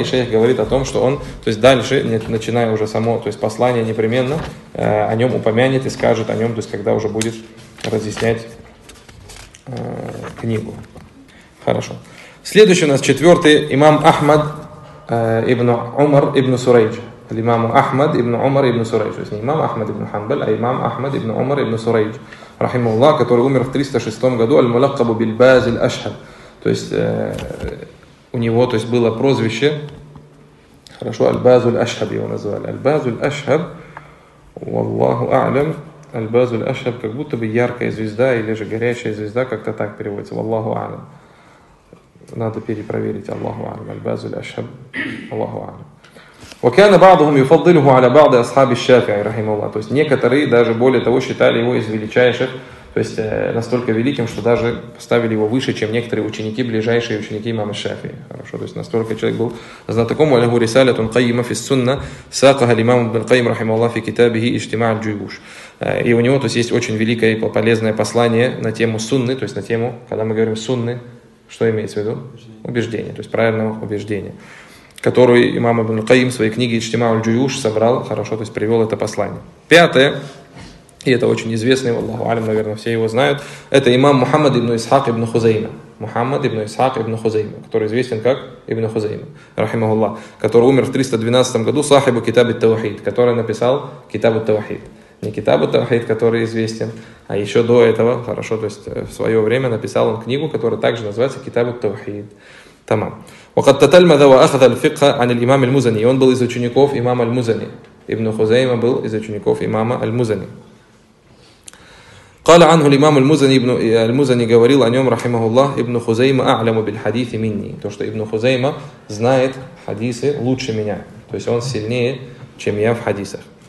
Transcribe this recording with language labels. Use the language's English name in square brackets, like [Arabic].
[Russian] И шейх говорит о том, что он, то есть дальше, начиная уже само, то есть послание непременно о нем упомянет и скажет о нем, то есть когда уже будет разъяснять книгу. Хорошо. Следующий у нас четвертый имам Ахмад ибн Умар ибн Сурейдж. [Arabic] الإمام أحمد ابن عمر ابن سريج, يعني الإمام أحمد ابن حنبل, أي الإمام أحمد ابن عمر ابن سريج رحمه الله, [Russian] который умер в 306 году, [Arabic] الملقب بالباز الأشهر, [Russian] то есть у него, то есть было прозвище, хорошо, [Arabic] الباز الأشهر [Russian] его называли, [Arabic] الباز الأشهر, والله أعلم, الباز الأشهر, [Russian] как будто бы яркая звезда или же горячая звезда, как-то так переводится, [Arabic] والله أعلم, [Russian] надо перепроверить, [Arabic] الله أعلم, الباز الأشهر, الله أعلم. وكان بعضهم يفضله على بعض أصحاب الشافعي رحمه الله. [Russian] То есть некоторые даже более того считали его из величайших, то есть настолько великим, что даже поставили его выше, чем некоторые ученики, ближайшие ученики имама Шафии. Хорошо, то есть настолько человек был знатоком. [Arabic] وله رسالة قيمة في السنة ساقها الإمام ابن القيم رحمه الله في كتابه اجتماع الجيوش. [Russian] И у него, то есть, есть очень великое и полезное послание на тему сунны, то есть на тему, когда мы говорим сунны, что имеется в виду? Убеждение, то есть правильного убеждения, который имам Ибн Каим в своей книге «Иджтима аль-Джуюш» собрал, хорошо, то есть привел это послание. Пятое, и это очень известный, Аллаху алим, наверное, все его знают, это имам Мухаммад ибн Исхак ибн Хузейма. Мухаммад ибн Исхак ибн Хузейма, который известен как Ибн Хузейма, рахимахуллах, который умер в 312 году, [Arabic] сахибу китаб ат-тавахид, [Russian] который написал китаб ат-тавахид. Не китаб ат-тавахид, который известен, а еще до этого, хорошо, то есть в свое время написал он книгу, которая также называется китаб ат-тавахид. Тамам. [Arabic] وقد تتلمذ وأخذ الفقه عن الإمام المزني. [Russian] Он был из учеников имама المزني. Ибн Хузейма был из учеников имама المزني. [Arabic] قال عنه الإمام المزني ابن المزني [Russian] говорил о нем [Arabic] رحمه الله ابن خزيمة أعلم بالحديث مني. [Russian] То что ابن خزيمة знает хадисы лучше меня. То есть он сильнее, чем я в хадисах.